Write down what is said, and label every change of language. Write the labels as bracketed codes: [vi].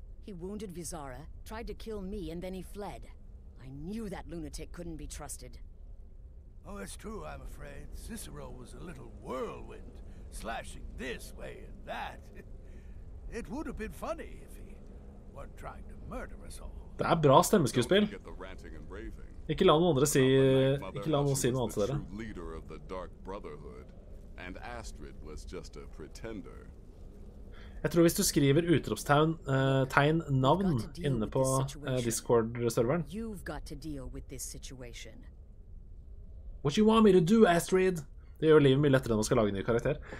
[en] He wounded Vizara, tried to kill me, and then he fled. I knew that lunatic couldn't be trusted. Oh, it's true, I'm afraid. Cicero was a little whirlwind, slashing this way and that. It would have been funny if he weren't trying to murder us all. [no] Det er bra stemmeskuespill. Ikke la noen andre si, ikke la noen si noe annet til dere. [en] The leader of the Dark Brotherhood, and Astrid was just a pretender. [no] Jeg tror hvis du skriver utropstegn tegn navn inne på Discord-serveren. [en] You've got to deal with this situation. What you want me to do, Astrid? [no] Det gjør livet mye lettere enn å skal lage en ny karakter.